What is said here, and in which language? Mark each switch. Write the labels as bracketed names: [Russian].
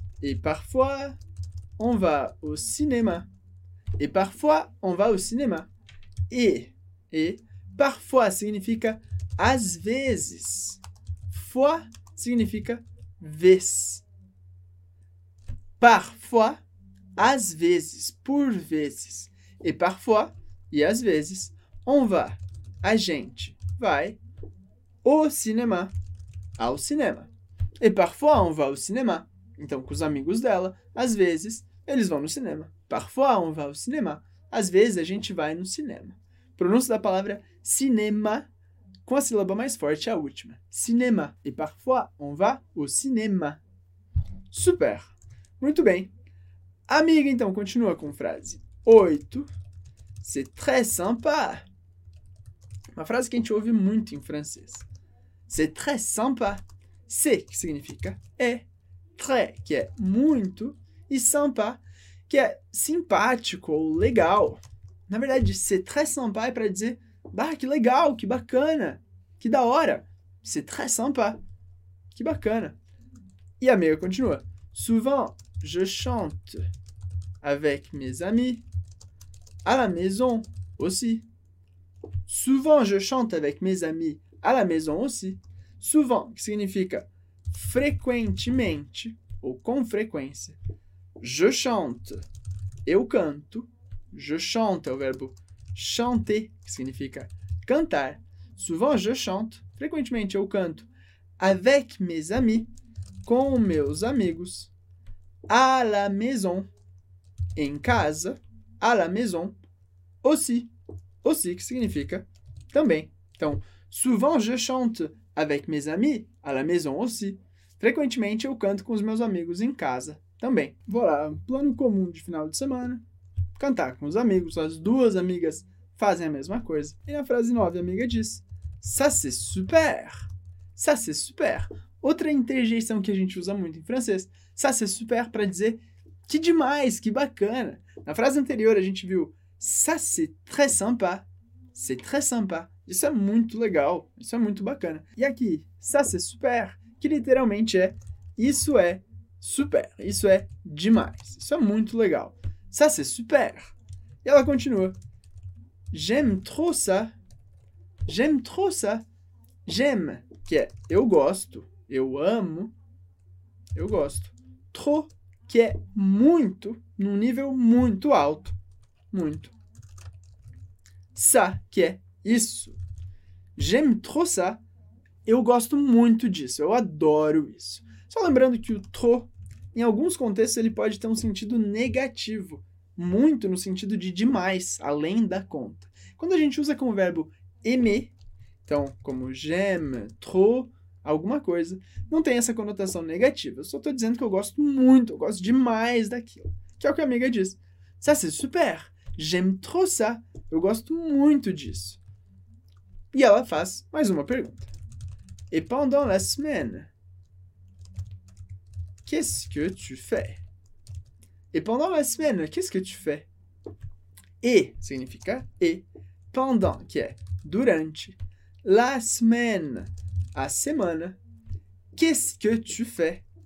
[French] Et parfois, on va au cinéma. Et parfois, on va au cinéma. [Portuguese] Et, parfois significa às vezes. Fois significa vez. Parfois, às vezes, por vezes. [French] Et parfois, [Portuguese] e às vezes, on va, a gente vai, [French] au cinéma, [Portuguese] ao cinema. [French] Et parfois, on va au cinéma. [Portuguese] Então, com os amigos dela, às vezes, eles vão no cinema. [French] Parfois on va au cinéma. [Portuguese] Às vezes a gente vai no cinema. Pronúncia da palavra cinema com a sílaba mais forte, a última. Cinema. [French] Et parfois on va au cinéma. [Portuguese] Super. Muito bem. Amiga, então, continua com frase 8. [French] C'est très sympa. [Portuguese] Uma frase que a gente ouve muito em francês. C'est très sympa. C'est, que significa é. Très, que é muito. E sympa, que é simpático ou legal. Na verdade, [French] c'est très sympa [Portuguese] é para dizer, bah, que legal, que bacana, que da hora. [French] C'est très sympa, [Portuguese] que bacana. E a amiga continua. [French] Souvent, je chante avec mes amis à la maison aussi. Souvent, je chante avec mes amis à la maison aussi. [Portuguese] Souvent, que significa frequentemente ou com frequência. Je chante. Eu canto. Je chante é o verbo chanter, que significa cantar. Souvent je chante. Frequentemente eu canto. Avec mes amis. Com meus amigos. À la maison. Em casa. À la maison. Aussi. Aussi, que significa também. Então, [French] souvent je chante avec mes amis à la maison aussi. [Portuguese] Frequentemente eu canto com os meus amigos em casa também. Vou lá, plano comum de final de semana. Cantar com os amigos, as duas amigas fazem a mesma coisa. E na frase 9, a amiga diz: [French] Ça c'est super! Ça c'est super! [Portuguese] Outra interjeição que a gente usa muito em francês: [French] Ça c'est super! [Portuguese] Para dizer que demais, que bacana! Na frase anterior a gente viu: [French] Ça c'est très sympa! C'est très sympa! [Portuguese] Isso é muito legal, isso é muito bacana. E aqui, [French] ça c'est super! [Portuguese] Que literalmente é: Isso é super! Isso é demais! Isso é muito legal! [French] Ça c'est super! [Portuguese] E ela continua: [French] J'aime trop ça. J'aime trop ça. [Portuguese] J'aime, que é eu gosto, eu amo, eu gosto. Trop, que é muito, num nível muito alto. Muito. Ça, que é isso. [French] J'aime trop ça. [Portuguese] Eu gosto muito disso, eu adoro isso. Só lembrando que o trop, em alguns contextos, ele pode ter um sentido negativo. Muito no sentido de demais, além da conta. Quando a gente usa com o verbo aimer, então, como j'aime, trop, alguma coisa, não tem essa conotação negativa. Eu só estou dizendo que eu gosto muito, eu gosto demais daquilo. Que é o que a amiga diz. [French] Ça c'est super, j'aime trop ça. [Portuguese] Eu gosto muito disso. E ela faz mais uma pergunta. [French] Et pendant la semaine, qu'est-ce que tu fais? Et pendant la semaine, qu'est-ce que tu fais? [Portuguese] Et significa e. Pendant, que é durante. [French] La semaine, [Portuguese] a semana. [French] Qu'est-ce que tu fais?